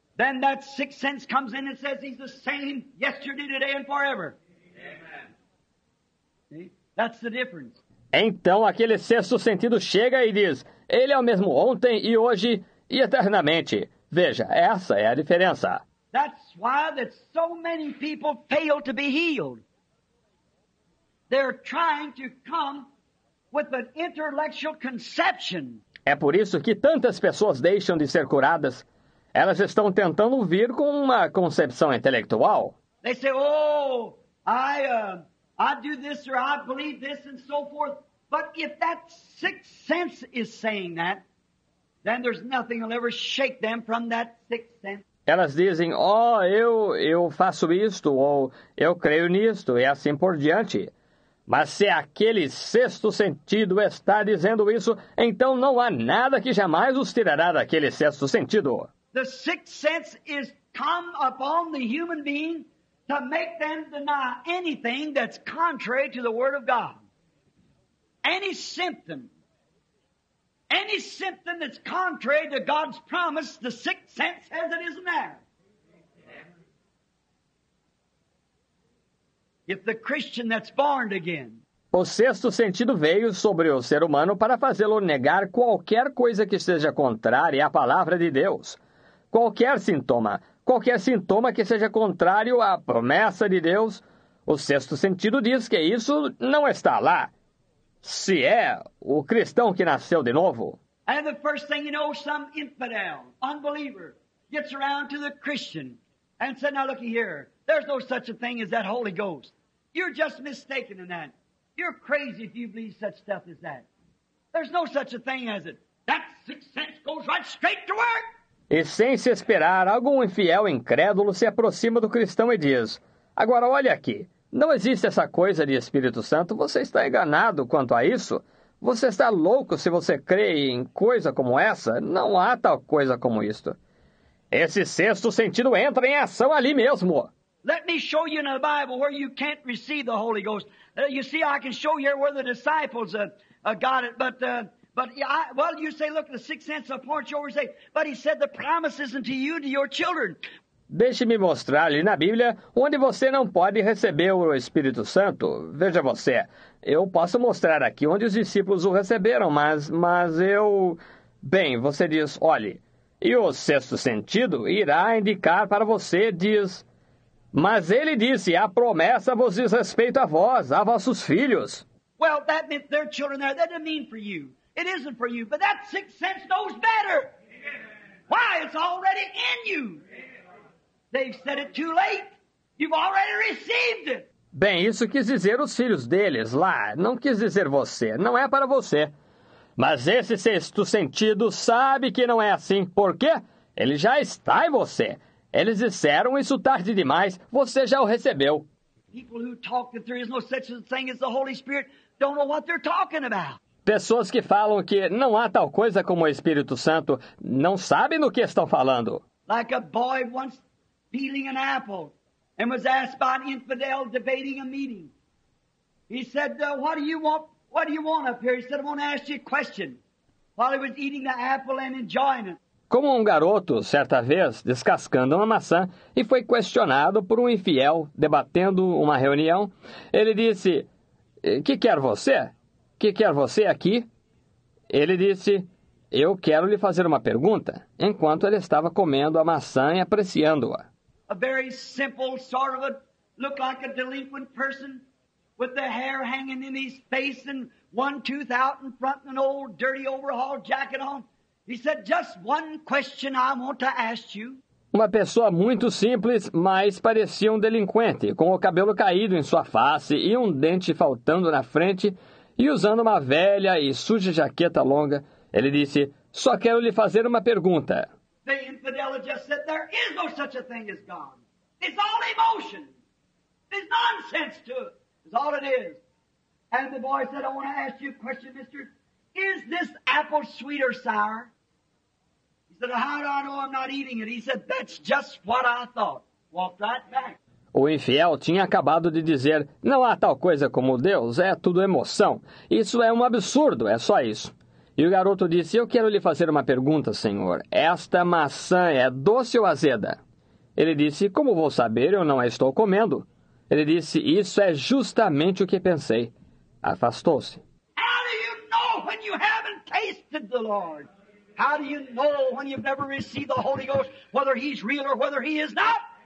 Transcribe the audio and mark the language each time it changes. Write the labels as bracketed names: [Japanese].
[English] Then that sixth sense comes in and says he's the same yesterday, today, and forever. Amen. See? That's the difference. [Portuguese] Então aquele sexto sentido chega e diz, ele é o mesmo ontem e hoje e eternamente. Veja, essa é a diferença. [English] That's why that so many people fail to be healed. They're trying to come with an intellectual conception. [Portuguese] É por isso que tantas pessoas deixam de ser curadas. Elas estão tentando vir com uma concepção intelectual. [English] They say, oh, I do this or I believe this and so forth. But if that sixth sense is saying that, then there's nothing will ever shake them from that sixth sense. [Portuguese] Elas dizem, oh, eu faço isto ou eu creio nisto e assim por diante. Mas se aquele sexto sentido está dizendo isso, então não há nada que jamais os tirará daquele sexto sentido. [English] The sixth sense is come upon the human being to make them deny anything that's contrary to the word of God. Any symptom that's contrary to God's promise, the sixth sense says it isn't there. If the Christian that's born again. [Portuguese] O sexto sentido veio sobre o ser humano para fazê-lo negar qualquer coisa que seja contrária à palavra de Deus. Qualquer sintoma que seja contrário à promessa de Deus, o sexto sentido diz que isso não está lá. Se é o cristão que nasceu de novo. [English] And the first thing you know, some infidel, unbeliever, gets around to the Christian and says, now looky here, there's no such a thing as that Holy Ghost. You're just mistaken in that. You're crazy if you believe such stuff as that. There's no such a thing as it. That sixth sense goes right straight to work. [Portuguese] E sem se esperar, algum infiel incrédulo se aproxima do cristão e diz, agora olha aqui, Não existe essa coisa de Espírito Santo. Você está enganado quanto a isso. Você está louco se você crê em coisa como essa. Não há tal coisa como isto. Esse sexto sentido entra em ação ali mesmo. [English] Let me show you in the Bible where you can't receive the Holy Ghost. You see, I can show you where the disciples got it, but you say, look, the sixth sense of porch over, say, but he said the promise isn't to you, to your children. [Portuguese] Deixe-me mostrar ali na Bíblia onde você não pode receber o Espírito Santo. Veja você, eu posso mostrar aqui onde os discípulos o receberam, mas eu... Bem, você diz, olhe, e o sexto sentido irá indicar para você, diz... Mas ele disse, a promessa vos diz respeito a vós, a vossos filhos. [English] Well, that meant their children there. That didn't mean for you. It isn't for you. But that sixth sense knows better. Why? It's already in you. They've said it too late. You've already received it. [Portuguese] Bem, isso quis dizer os filhos deles lá. Não quis dizer você. Não é para você. Mas esse sexto sentido sabe que não é assim. Por quê? Ele já está em você. Eles disseram isso tarde demais. Você já o recebeu. [English] People who talk that there is no such thing as the Holy Spirit don't know what they're talking about. [Portuguese] Pessoas que falam que não há tal coisa como o Espírito Santo não sabem do que estão falando. [English] Like a boy once peeling an apple and was asked by an infidel debating a meeting. He said, "What do you want? What do you want up here?" He said, "I want to ask you a question." While he was eating the apple and enjoying it. [Portuguese] Como um garoto, certa vez, descascando uma maçã, e foi questionado por um infiel, debatendo uma reunião, ele disse, que quer você? Que quer você aqui? Ele disse, eu quero lhe fazer uma pergunta, enquanto ele estava comendo a maçã e apreciando-a. [English] A very simple sort of a, look like a delinquent person, with the hair hanging in his face and one tooth out in front and an old dirty overhaul jacket on. He said, just one question I want to ask you. [Portuguese] Uma pessoa muito simples, mas parecia um delinquente, com o cabelo caído em sua face e um dente faltando na frente, e usando uma velha e suja jaqueta longa, ele disse, só quero lhe fazer uma pergunta. [English] The infidel just said, there is no such a thing as God. It's all emotion. It's nonsense to it. It's all it is. And the boy said, I want to ask you a question, mister. Is this apple sweet or sour? He said, how do I know I'm not eating it? He said, that's just what I thought. Walked right back. [Portuguese] O infiel tinha acabado de dizer, não há tal coisa como Deus, é tudo emoção. Isso é um absurdo, é só isso. E o garoto disse, eu quero lhe fazer uma pergunta, senhor. Esta maçã é doce ou azeda? Ele disse, como vou saber, eu não a estou comendo. Ele disse, isso é justamente o que pensei. Afastou-se. [English] When you haven't tasted the Lord, how do you know when you've never received the Holy Ghost, whether he's real or whether he is not?